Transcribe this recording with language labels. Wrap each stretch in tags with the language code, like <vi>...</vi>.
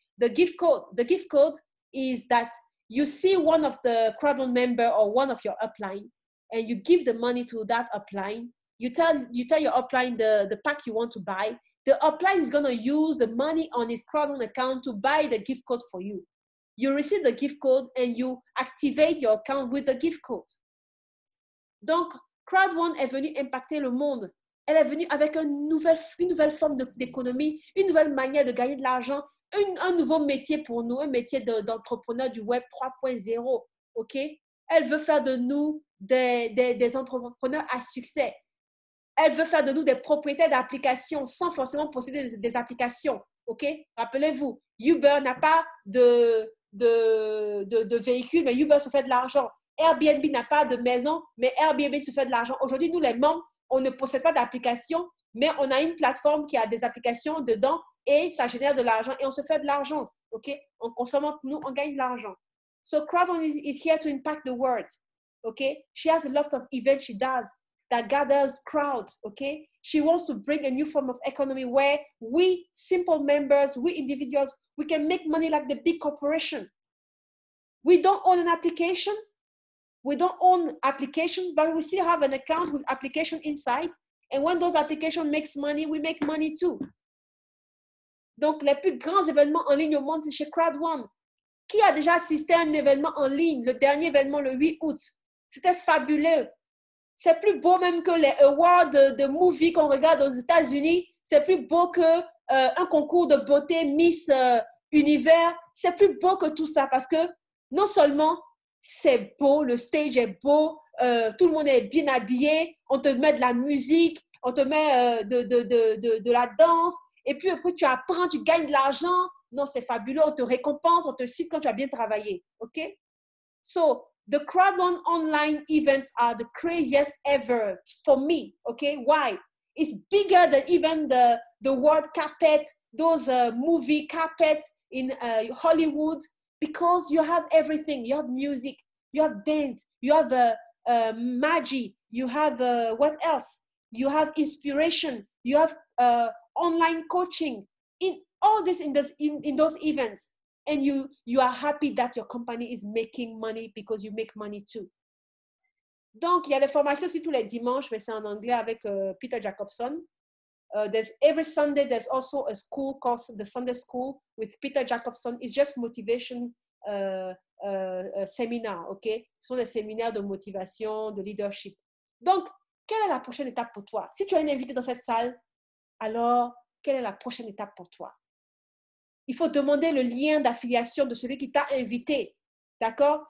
<en>The gift code is that you see one of the Kraken member or one of your upline and you give the money to that upline. You tell your upline the pack you want to buy. The upline is going to use the money on his Kraken account to buy the gift code for you. You receive the gift code and you activate your account with the gift code.</en> <fr>Donc, Kraken est venue impacter le monde. Elle est venue avec une nouvelle forme d'économie, une nouvelle manière de gagner de l'argent, un nouveau métier pour nous, un métier d'entrepreneur du web 3.0, OK? Elle veut faire de nous des entrepreneurs à succès. Elle veut faire de nous des propriétaires d'applications sans forcément posséder des applications. OK? Rappelez-vous, Uber n'a pas de véhicule, mais Uber se fait de l'argent. Airbnb n'a pas de maison, mais Airbnb se fait de l'argent. Aujourd'hui, nous, les membres, on ne possède pas d'application, mais on a une plateforme qui a des applications dedans et ça génère de l'argent et on se fait de l'argent. OK? En consommant, nous, on gagne de l'argent.</fr> <en>So, Kravon is here to impact the world. OK? She has a lot of events she does that gathers crowds. OK? She wants to bring a new form of economy where we, simple members, we individuals, we can make money like the big corporation. We don't own an application. We don't own application, but we still have an account with application inside. And when those applications make money, we make money too.</en> <fr>Donc, les plus grands événements en ligne au monde, c'est chez CrowdOne. Qui a déjà assisté à un événement en ligne, le dernier événement le 8 août? C'était fabuleux. C'est plus beau même que les awards de movie qu'on regarde aux États-Unis. C'est plus beau que un concours de beauté Miss Univers. C'est plus beau que tout ça parce que non seulement c'est beau, le stage est beau, tout le monde est bien habillé, on te met de la musique, on te met de la danse, et puis après tu apprends, tu gagnes de l'argent. Non, c'est fabuleux, on te récompense, on te cite quand tu as bien travaillé. OK?</fr> <en>So, the CrowdOne online events are the craziest ever for me. OK? Why? It's bigger than even the world carpet, those movie carpet in Hollywood. Because you have everything. You have music, you have dance, you have magic, you have what else? You have inspiration, you have online coaching, in all this in those events. And you are happy that your company is making money because you make money too.</en> <fr>Donc, il y a des formations aussi tous les dimanches, mais c'est en anglais avec Peter Jacobson.</fr> <en>There's every Sunday, there's also a school called the Sunday School with Peter Jacobson. It's just motivation seminar, OK?</en> <fr>Ce sont des séminaires de motivation, de leadership. Donc, quelle est la prochaine étape pour toi? Si tu as une invitée dans cette salle, alors, quelle est la prochaine étape pour toi? Il faut demander le lien d'affiliation de celui qui t'a invité. D'accord?</fr>